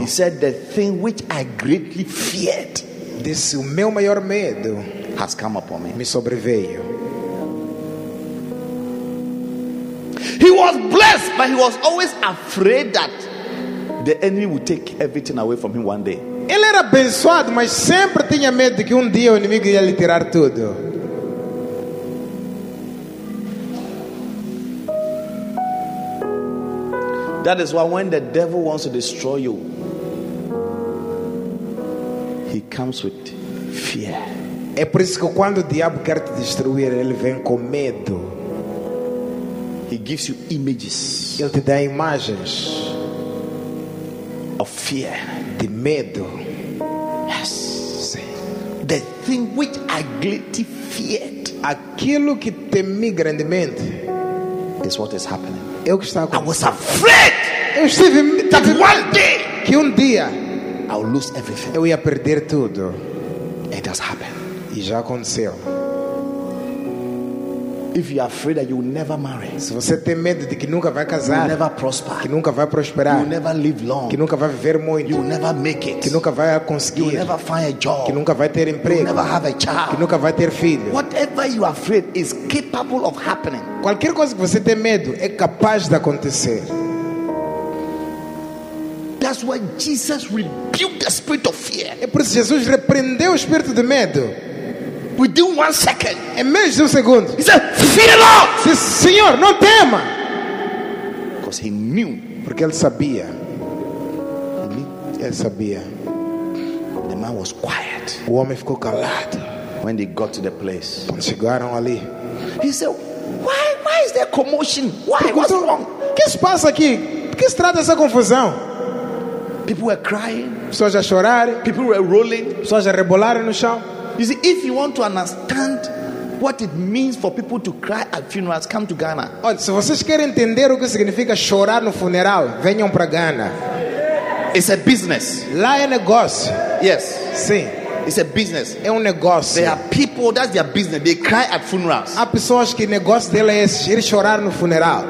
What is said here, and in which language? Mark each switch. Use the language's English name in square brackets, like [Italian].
[English] He said, "The thing which I greatly feared, [Portuguese] disse, o meu maior medo, [English] has come upon me." [Portuguese] Me sobreveio. [English] He was blessed, but he was always afraid that the enemy would take everything away from him one day. [Portuguese] Ele era abençoado, mas sempre tinha medo de que um dia o inimigo ia lhe tirar tudo. [English] That is why when the devil wants to destroy you, he comes with fear. [Portuguese] É por isso que quando o diabo quer te destruir, ele vem com medo. [English] He gives you images. [Portuguese] Ele te dá imagens. [English] Of fear. [Portuguese] De medo. [English] Yes. The thing which I greatly feared. [Portuguese] Aquilo que temi grandemente. [English] Is what is happening. [Portuguese] Eu que estava [English] com... I was afraid. [Portuguese] Eu estive [English] that one day. [Portuguese] Que dia. [English] I'll lose everything. [Portuguese] Eu ia perder tudo. [English] It has happened. [Portuguese] E já aconteceu. [English] If you are afraid that you will never marry, [Portuguese] se você tem medo de que nunca vai casar, [English] you will never prosper, [Portuguese] que nunca vai prosperar, [English] you will never live long, [Portuguese] que nunca vai viver muito, [English] you will never make it, [Portuguese] que nunca vai conseguir, [English] you will never find a job, [Portuguese] que nunca vai ter emprego, [English] you will never have a child, [Portuguese] que nunca vai ter filho. [English] Whatever you are afraid is capable of happening. [Portuguese] Qualquer coisa que você tem medo é capaz de acontecer. [English] That's why Jesus rebuked the spirit of fear. [Portuguese] É por isso que Jesus repreendeu o espírito de medo. [English] Within 1 second. [Portuguese] Em menos de segundo. [English] He said, "Fear not." [Portuguese] Diz, Senhor, não tema. [English] Because he knew. [Portuguese] Porque ele sabia. [English] He knew. [Portuguese] Ele sabia. [English] The man was quiet. [Portuguese] O homem ficou calado. [English] When they got to the place. [Portuguese] Quando chegaram ali. [English] He said, "Why is there commotion? Why? What's wrong? [Portuguese] Que se passa aqui? Por que se trata essa confusão?" [English] People were crying. [Portuguese] Pessoas a chorar. [English] People were rolling. [Portuguese] Pessoas a rebolar no chão. [English] You see, if you want to understand what it means for people to cry at funerals, come to Ghana. [Portuguese] Olha, se vocês querem entender o que significa chorar no funeral, venham para Ghana. [English] It's a business. [Portuguese] Lá é negócio. [English] Yes. [Portuguese] Sim. [English] It's a business. [Portuguese] É negócio. [English] There are people, that's their business. They cry at funerals. [Portuguese] Há pessoas que negócio dele é ir chorar no funeral.